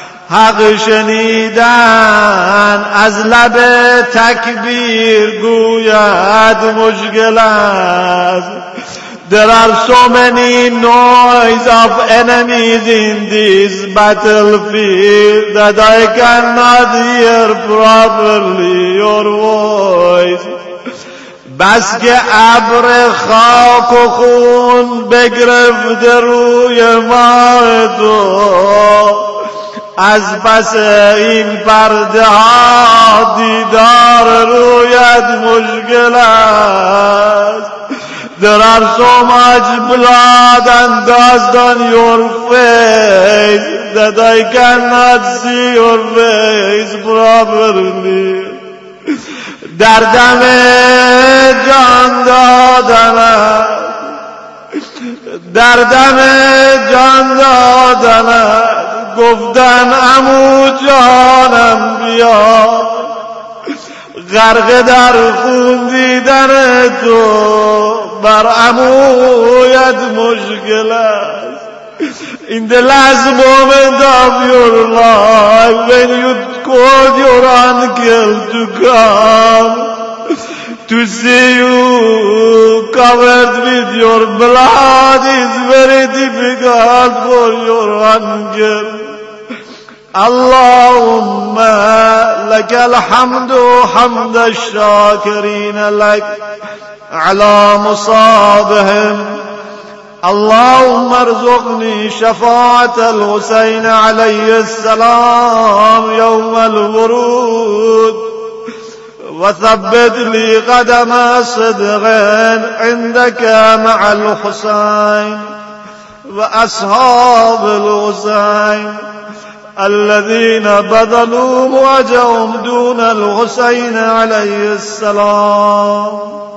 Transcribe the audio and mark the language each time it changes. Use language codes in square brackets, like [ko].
[fa] حق شنیدن از لب تکبیر گوید مشکل است. [en] There are so many noise of enemies in this battlefield that I cannot hear properly your voice. [fa] بس که ابر خاک و خون بگرفت روی ما تو از پس این پرده ها دیدار رویت مشکل است. [en] There are so much blood and dust on your face that I cannot see your face properly. [fa] دردم جان دادنم دردم جان دادنم گفتن امو جانم بیا غرق در خون دیدن تو بر امویت مشکل است. [en] In the last moment of your life when you called your uncle to come to see you covered with your blood is very difficult for your uncle. [ar] اللهم لك الحمد حمد الشاكرين لك على مصابهم. اللهم ارزقني شفاعة الحسين عليه السلام يوم الورود وثبت لي قدم صدقين عندك مع الحسين وأصحاب الحسين الذين بذلوا مواجههم دون الحسين عليه السلام.